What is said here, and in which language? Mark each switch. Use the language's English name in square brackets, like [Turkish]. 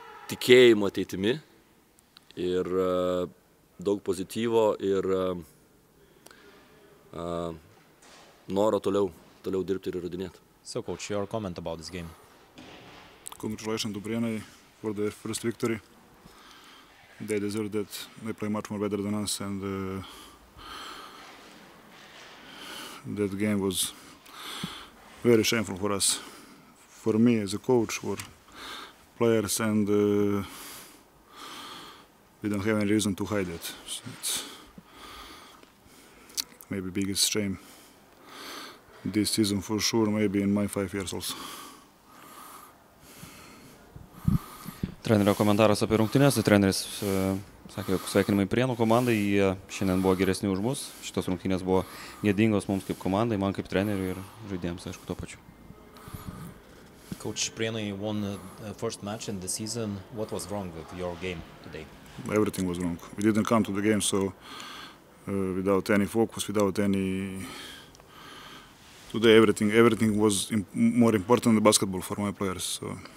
[Lithuanian] Tikėjimo ateitimi. Ir daug pozityvo ir noro toliau dirbti ir įrodinėti. [English] So, coach, your comment about this game? Congratulations to Brienne for the first victory. They deserve that. They play much more better than us and that game was very shameful for us, for me as a coach, for players, and we don't have any reason to hide it. So it's maybe biggest shame this season for sure, maybe in my 5 years also. [Lithuanian] Trenerio komentaras apie rungtynes. Treneris sakė, jog sveikinimai Prienų komandai. Jie šiandien buvo geresni už mus. Šitos rungtynės buvo gėdingos mums kaip komandai, man kaip treneriui ir žaidėjams, aišku, to pačiu. [English] Coach Prienai won the first match in the season. What was wrong with your game today? Everything was wrong. We didn't come to the game, so without any focus, without any... Today everything was more important than basketball for my players. So.